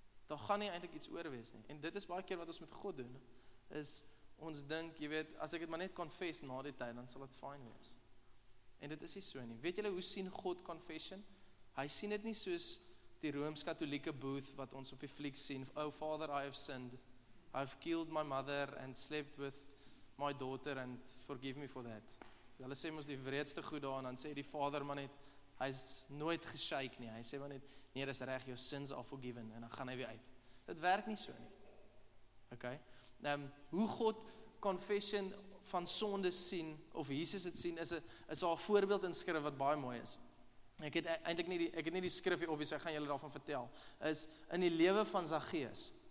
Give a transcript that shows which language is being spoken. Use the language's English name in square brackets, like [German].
[Afrikaans] Daar gaan nie eintlik iets oor wees nie. En dit is baie keer wat ons met God doen, is ons denk, jy weet, as ek het maar net confess na die tyd, dan sal het fijn wees. En dit is nie so nie. Weet jylle, hoe sien God confession? Hy sien het nie soos die Rooms-Katholieke booth, wat ons op die fliek sien, [English] oh, father, I have sinned. I've killed my mother and slept with my daughter and forgive me for that. [Afrikaans] So, hulle sê ons die wreedste goed daar, en dan sê die vader maar net, hy is nooit geshake nie. Hy sê maar net, nee, dis reg, [English] your sins are forgiven, [Afrikaans] en dan gaan hy weer uit. Dit werk nie so nie. Okay? Hoe God confession van sonde sien, of Jesus het sien, is al voorbeeld in skrif wat baie mooi is. Ek het nie die skrif hier op, so ek gaan julle daarvan vertel, is in die lewe van Zaccheus.